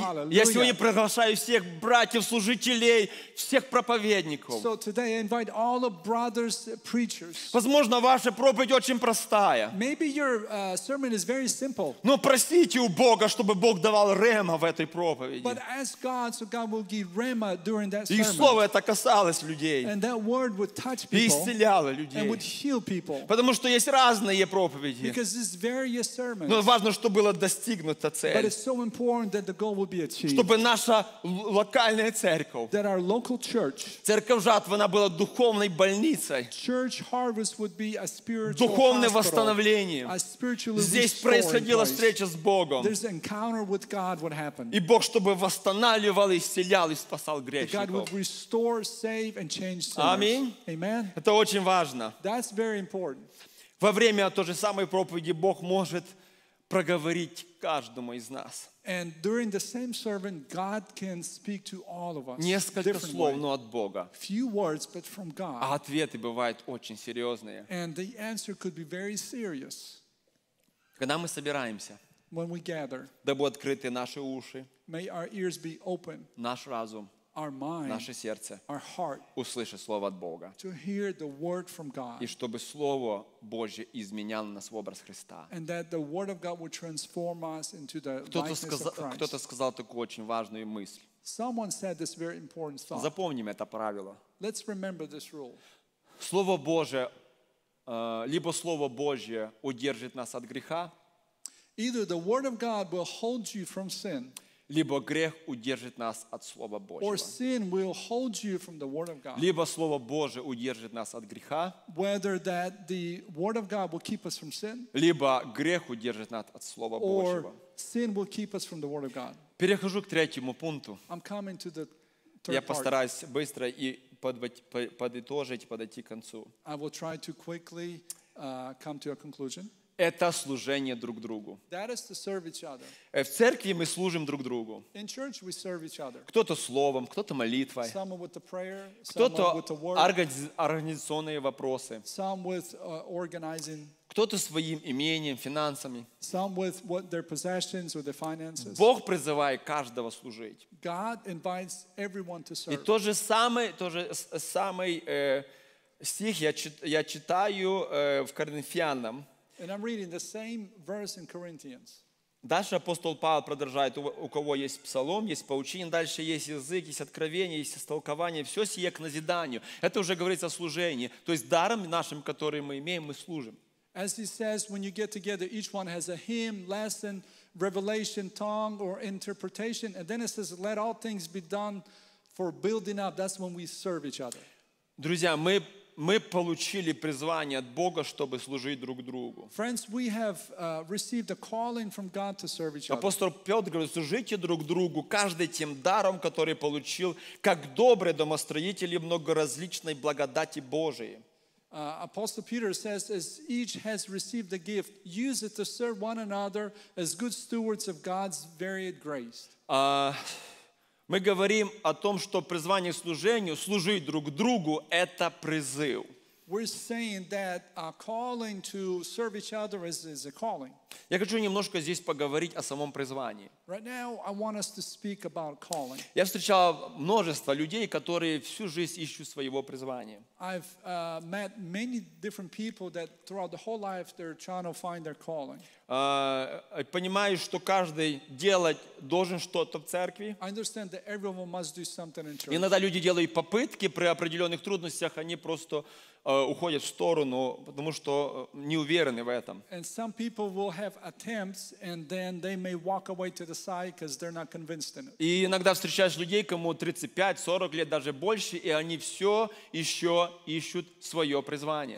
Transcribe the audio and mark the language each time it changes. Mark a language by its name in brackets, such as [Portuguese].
[Russian] Я сегодня приглашаю всех братьев, служителей, всех проповедников. [English] So today I invite all the brothers, preachers. [Russian] Возможно, ваша проповедь очень простая. [English] Maybe your sermon is very simple. [Russian] Но просите у Бога, чтобы Бог давал рема в этой проповеди. [English] But ask God, so God will give rema during that sermon. [Russian] И слово это касалось людей. [English] And that word would touch people. [Russian] И исцеляло людей. [English] And would heal people. [Russian] Потому что есть разные проповеди. [English] Because it's various sermons. [Russian] Но важно, чтобы была достигнута цель. [English] But it's so important that the goal will be achieved. [Russian] Чтобы наша локальная церковь, [English] that our local church, [Russian] церковь жатва, она была духовной больницей. [English] Church harvest would be a spiritual [Russian] духовное восстановление. [English] A spiritually [Russian] здесь происходила встреча с Богом. [English] There's an encounter with God would happen. [Russian] И Бог, чтобы восстанавливал, исцелял и спасал грешников. [English] God would restore, save, and change sinners. [Russian] Аминь. Это очень важно. [English] That's very important. [Russian] Во время той же самой проповеди Бог может проговорить каждому из нас. [English] And during the same sermon, God can speak to all of us. [Russian] Несколько слов, но от Бога. [English] Few words, but from God. [Russian] А ответы бывают очень серьезные. [English] And the answer could be very serious. [Russian] Когда мы собираемся, [English] when we gather, [Russian] дабы открыты наши уши, [English] may our ears be open, [Russian] наш разум, [English] our mind, [Russian] наше сердце, [English] our heart, [Russian] услышать слово от Бога. [English] To hear the word from God. [Russian] И чтобы слово Божье изменяло нас в образ Христа. [English] And that the word of God would transform us into the likeness of Christ. [Russian] Кто-то сказал такую очень важную мысль. [English] Someone said this very important thought. [Russian] Запомним это правило. [English] Let's remember this rule. [Russian] Слово Божье, либо слово Божье удержит нас от греха. [English] Either the word of God will hold you from sin. [Russian] Либо грех удержит нас от Слова Божьего. [English] Or sin will hold you from the word of God. [Russian] Либо Слово Божье удержит нас от греха. [English] Whether that the word of God will keep us from sin. [Russian] Либо грех удержит нас от Слова Божьего. [English] Or sin will keep us from the word of God. [Russian] Перехожу к третьему пункту. [English] I'm coming to the third part. [Russian] Я постараюсь быстро и подытожить, подойти к концу. [English] I will try to quickly come to a conclusion. [Russian] Это служение друг другу. [English] That is to serve each other. [Russian] В церкви мы служим друг другу. [English] In church we serve each other. [Russian] Кто-то словом, кто-то молитвой. [English] Some with the prayer, [Russian] кто-то [English] some with the word. [Russian] Организационные вопросы. [English] Some with organizing. [Russian] Кто-то своим имением, финансами. [English] Some with what their possessions or their finances. [Russian] Бог призывает каждого служить. [English] God invites everyone to serve. [Russian] И то же самое стих я читаю в Коринфянам. [English] And I'm reading the same verse in Corinthians. [Russian] Дальше апостол Павел продолжает, у кого есть псалом, есть поучение, дальше есть язык, есть откровение, есть истолкование, все сие к назиданию. Это уже говорится о служении. То есть даром нашим, который мы имеем, мы служим. [English] As he says, when you get together, each one has a hymn, lesson, revelation, tongue, or interpretation. And then it says, let all things be done for building up, that's when we serve each other. [Russian] Друзья, мы получили призвание от Бога, чтобы служить друг другу. [English] Friends, we have received a calling from God to serve each other. [Russian] Апостол Петр говорит: служите друг другу, каждый тем даром, который получил, как добрые домостроители многоразличной благодати Божией. [English] Apostle Peter says, as each has received a gift, use it to serve one another as good stewards of God's varied grace. [Russian] Мы говорим о том, что призвание к служению, служить друг другу, это призыв. [English] We're saying that a calling to serve each other is a calling. [Russian] Я хочу немножко здесь поговорить о самом призвании. [English] Right now I want us to speak about calling. [Russian] Я встречал множество людей, которые всю жизнь ищут своего призвания. [English] I've met many different people that throughout the whole life they're trying to find their calling. [Russian] Понимаю, что каждый делать должен что-то в церкви. [English] I understand that everyone must do something in church. [Russian] Иногда люди делают попытки, при определенных трудностях они просто уходят в сторону, потому что не уверены в этом. [English] And some people will have attempts and then they may walk away to the side because they're not convinced in it. [Russian] И иногда встречаешь людей, кому 35-40 лет, даже больше, и они все еще ищут свое призвание.